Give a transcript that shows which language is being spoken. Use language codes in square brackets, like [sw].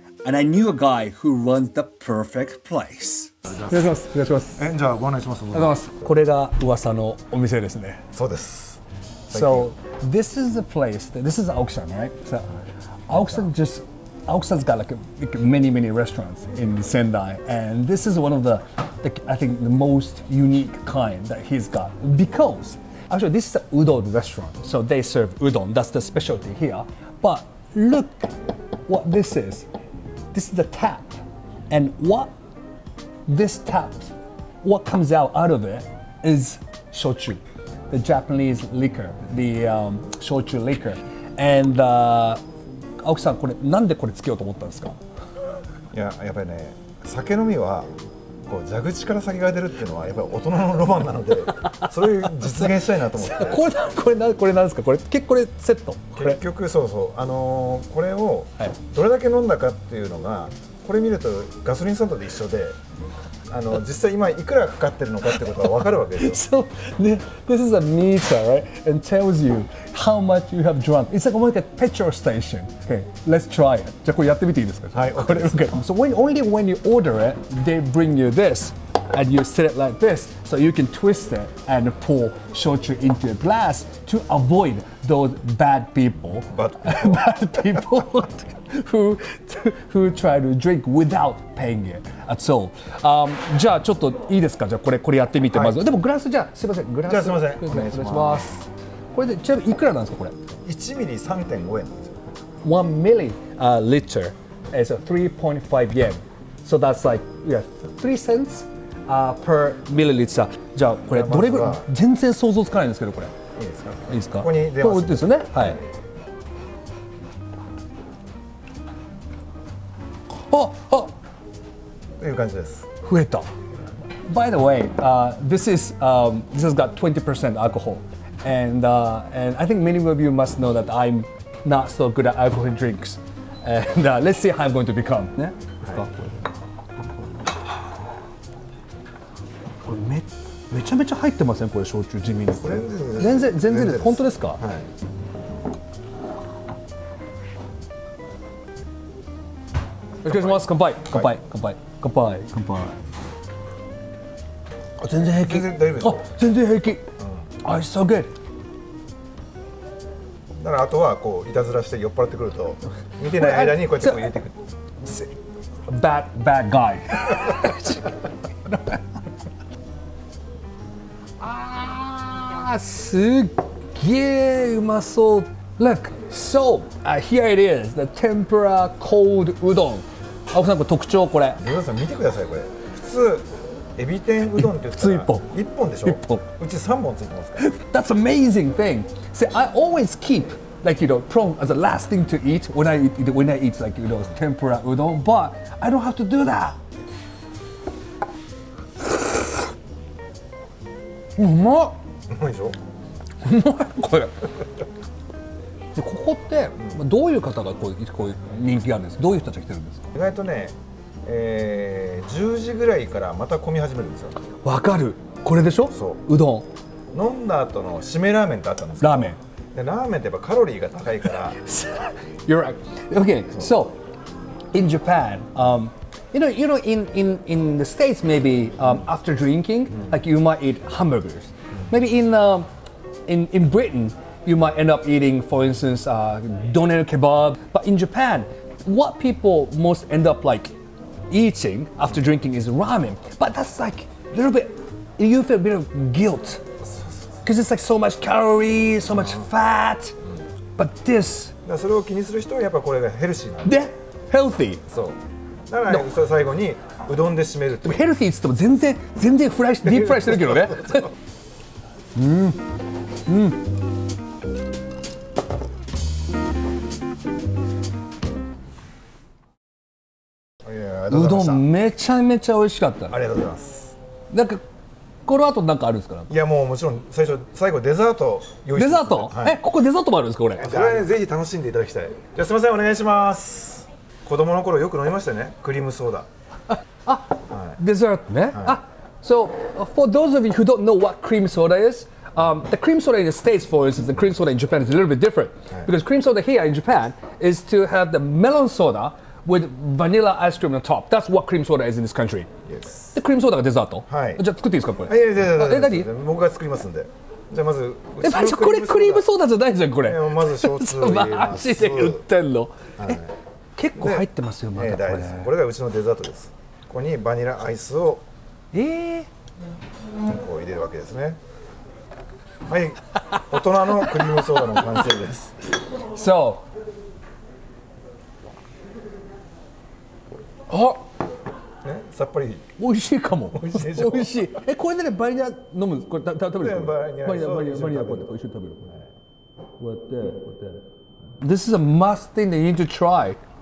[en] And I knew a guy who runs the perfect place. [ja] お願いします。お願いします。え、じゃあご案内します。お願いします。これが噂のお店ですね。そうです。 [en] So, this is the place, that, this is Aoki-san, right? So, Aoki-san just, Aoki-san's got like many, many restaurants in Sendai. And this is one of the, I think, the most unique kind that he's got. Because, actually, this is an udon restaurant. So, they serve udon. That's the specialty here. But look what this is. This is the tap. And what this tap, what comes out of it is shochu. The Japanese liquor, the shochu liquor. [ja] And Aoki-san, これなんでこれつけようと思ったんですか？いや、やっぱりね、酒飲みはこう蛇口から酒が出るっていうのはやっぱり大人のロマンなので、それを実現したいなと思って。これなんですか？これセット。結局そうそう、これをどれだけ飲んだかっていうのが、これ見るとガソリンスタンドで一緒で。実際今いくらかかってるのかってことが分かるわけですよ。 [en] So, this is a meter, right? And tells you how much you have drunk. It's like, like a petrol station. Okay, let's try it. [ja] じゃあこれやってみていいですか？はい、これ OK。 [en] So when, only when you order it, they bring you this, and you set it like this, so you can twist it and pour shochu into a glass to avoid those bad people. Bad people. who try to drink without paying it at all. [ja] じゃあちょっといいですか？じゃあこれやってみて、はい、まず。でもグラスじゃあすいません。グラスじゃあすいません。お願いします。これでちなみにいくらなんですかこれ？ 1ミリ 3.5 円なんです [en] よ。1ミリリットル is 3.5 yen. So that's like yeah, 3 cents per milliliter. [ja] じゃあこれどれぐらい、まあ、全然想像つかないんですけどこれ。いいですか？ここに出ます、ね。こうですよね。はい。あ、あ、という感じです。増えた。 [en] By the way, this has got 20% alcohol, and I think many of you must know that I'm not so good at alcohol drinks. And let's see how I'm going to become. [ja] ね、はい、これめちゃめちゃ入ってません？これ焼酎地味にこれ。全然です。本当ですか？はい。お疲れ様です。乾杯。乾杯。乾杯。乾杯。乾杯。あ、全然平気。全然大丈夫です。あ、全然平気。うん。 [en] It's so good。 [ja] だからあとはこういたずらして酔っ払ってくると見てない間にこうやってこう入れてくる。 [en] Bad guy。 [ja] ああ、すっげーうまそう。 [en] Look, so here it is, the tempura cold udon. [ja] 青木さん、これ特徴これ皆さん見てください、これ普通、エビ天うどんって言ったら普通1本でしょ 1本うち3本ついてますから [en] That's amazing thing! See, I always keep, like, you know, prawn as the last thing to eat when I eat, like, you know, tempura うどん But I don't have to do that! [ja] うまいでしょ?うまい、これ でここってどういう方がこう人気があるんですか？どういう人たちが来てるんですか？意外とね、10時ぐらいからまた混み始めるんですよ。わかる。これでしょ？そう。うどん。飲んだ後の締めラーメンってあったんですけど。ラーメン。で、ラーメンってやっぱカロリーが高いから。 [en] You're right. Okay. So in Japan, you know, in the States, maybe after drinking, like you might eat hamburgers. Maybe in Britain. You might end up eating, for instance, doner kebab. But in Japan, what people most end up like eating after drinking is ramen. But that's like a little bit, you feel a bit of guilt. Because it's like so much calories, so much fat. But this... [ja] だからそれを気にする人はやっぱこれがヘルシーなんで。で、healthy. そう。だから、no. それ最後にうどんで締めるって。ヘルシーって言っても全然フライし、ディープフライしてるけどね。うどんめちゃめちゃ美味しかった。ありがとうございます。なんかこれあと何かあるんですか？いやもうもちろん最初最後デザート用意してます、ね、デザート、はい、ここデザートもあるんですか？これこれぜひ楽しんでいただきたい。じゃあすいませんお願いします。子供の頃よく飲みましたね、クリームソーダ。あ、はい、デザートね、はい、 [en] So for those of you who don't know what cream soda is、the cream soda in the States, for instance, the cream soda in Japan is a little bit different、はい、because cream soda here in Japan is to have the melon soda with vanilla ice cream on top. That's what cream soda is in this country. Yes. The cream soda がデザート。 [ja] はい。じゃあ作っていいですかこれ。いやいやいや、何？僕が作りますんで。じゃあまず。え、まじこれクリームソーダじゃないじゃんこれ。まず焼酎を入れます。マジで売ってんの、はい、結構入ってますよまだこれ、大丈夫。これがうちのデザートです。ここにバニラアイスを。こう入れるわけですね。はい、大人のクリームソーダの完成です。そう。あ、ね、さっぱり美味しいかも。美味しいでしょ。これで、ね、バニラ飲む、これ食べる。バニラ、バニラ、バニラ、バニラ、こうやって一緒に食べる。こうやって、こうやって。 [en] This is a must thing that you need to try.